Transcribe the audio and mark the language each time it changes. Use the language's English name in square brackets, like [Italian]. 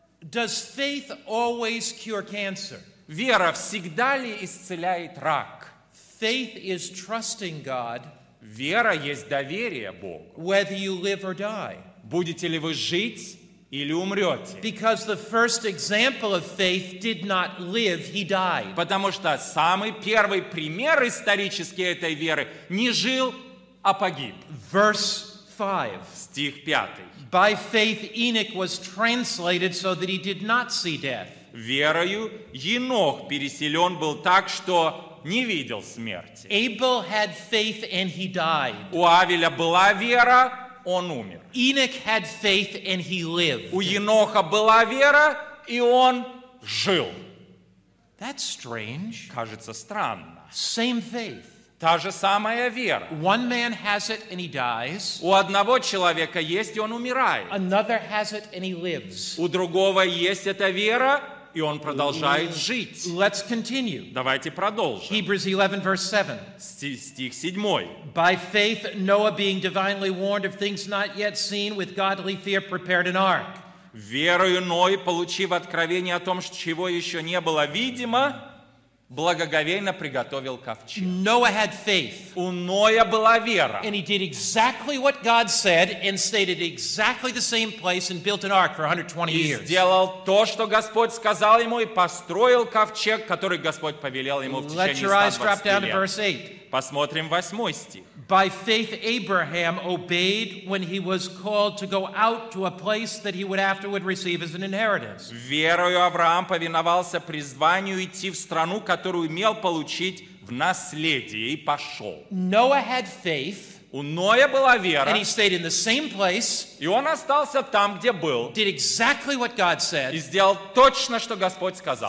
[English] Does faith always cure cancer? [Russian] Вера всегда ли исцеляет рак? [English] Faith is trusting God. [Russian] Вера есть доверие Богу. [English] Whether you live or die. [Russian] Будете ли вы жить или умрете? [English] Because the first example of faith did not live, he died. [Russian] Потому что самый первый пример исторический этой веры не жил, а погиб. [English] Verse 5. [Russian] Стих 5. [English] By faith Enoch was translated so that he did not see death. [Russian] Верою Енох переселен был так, что не видел смерти. [English] Abel had faith and he died. [Russian] У Авеля была вера, он умер. [English] Enoch had faith and he lived. [Russian] У Еноха была вера, и он жил. [English] That's strange. [Russian] Кажется странно. [English] Same faith. [Russian] Та же самая вера. [English] One man has it and he dies. [Russian] У одного человека есть, и он умирает. [English] Another has it and he lives. [Russian] У другого есть эта вера, и он продолжает жить. [English] Let's continue. [Russian] Давайте продолжим. [English] Hebrews 11, verse 7. [Russian] Стих 7. [English] By faith, Noah, being divinely warned of things not yet seen, with godly fear prepared an ark. [Russian] Верою Ной, получив откровение о том, чего еще не было видимо, благоговейно приготовил ковчег. [English] Noah had faith. [Russian] У Ноя была вера. [English] And he did exactly what God said and stayed at exactly the same place and built an ark for 120 years. [Russian] И сделал то, что Господь сказал ему, и построил ковчег, который Господь повелел ему в течение 120 лет. [English] Let your eyes drop down to verse 8. [Russian] Посмотрим 8 стих. [English] By faith Abraham obeyed when he was called to go out to a place that he would afterward receive as an inheritance. [Russian] Верою Авраам повиновался призванию идти в страну, которую имел получить в наследие и пошел. [English] Noah had faith. [Russian] У Ноя была вера. [English] And he stayed in the same place. [Russian] И он остался там, где был. [English] Did exactly what God said. [Russian] И сделал точно, что Господь сказал.